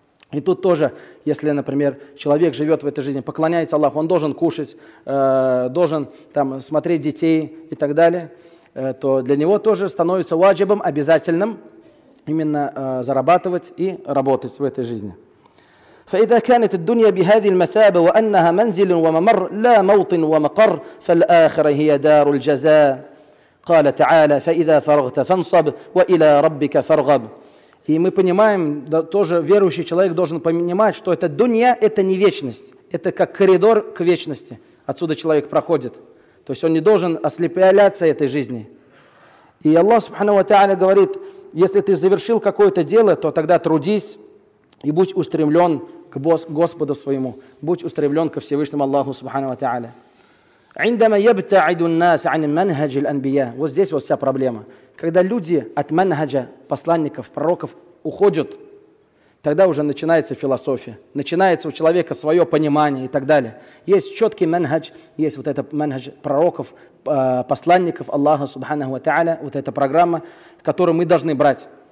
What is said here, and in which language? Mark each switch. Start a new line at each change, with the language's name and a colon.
Russian: И тут тоже, если, например, человек живет в этой жизни, поклоняется Аллаху, он должен кушать, должен там смотреть детей и так далее, то для него тоже становится ваджибом обязательным именно зарабатывать и работать в этой жизни.
Arabic: فإذا كانت الدنيا بهذه المثابة وأنها منزل وممر لا موطن ومقر فالآخرة هي دار الجزاء قال تعالى فإذا فرغت فانصب وإلى ربك فارغب.
Russian: И мы понимаем, да, тоже верующий человек должен понимать, что эта дунья — это не вечность, это как коридор к вечности, отсюда человек проходит, то есть он не должен ослепляться этой жизни. И Аллах Субхану ва Тааля говорит: если ты завершил какое-то дело, то тогда трудись и будь устремлен к Господу своему, будь устремлен ко Всевышнему Аллаху Субхану ва Тааля.
Arabic: عندما يبتعد الناس عن منهج الأنبياء.
Russian: Вот здесь вот вся проблема. Когда люди от манхаджа посланников, пророков уходят, тогда уже начинается философия, начинается у человека свое понимание и так далее. Есть четкий манхадж, есть вот этот манхадж пророков, посланников Аллаха Субхану ва Тааля, вот эта программа, которую мы должны брать.